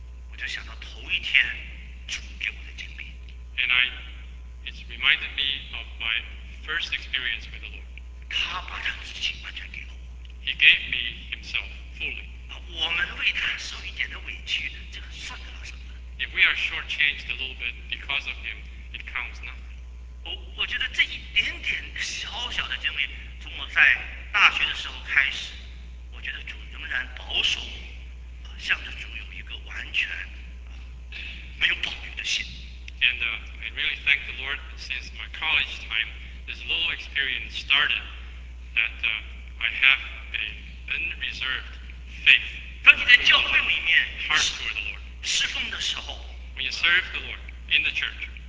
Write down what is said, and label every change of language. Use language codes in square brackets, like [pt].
[zh] 我就想到头一天主给我的经历。 [en] And it's reminded me of my first experience with the Lord. [zh] 他把他自己完全给了我。 [en] He gave me himself fully. [zh] 我们为他受一点的委屈，这个算得了什么？ [en] If we are shortchanged a little bit because of him, it counts nothing. [zh] 我觉得这一点点小小的经历，从我在大学的时候开始，我觉得主仍然保守我，向着主有一个完全没有保留的心。 [en] And I really thank the Lord since my college time this little experience started that I have an unreserved faith. [zh] 刚才在教会里面, [en] heart toward the Lord. [zh] 侍奉的时候, [en] when you serve the Lord in the church,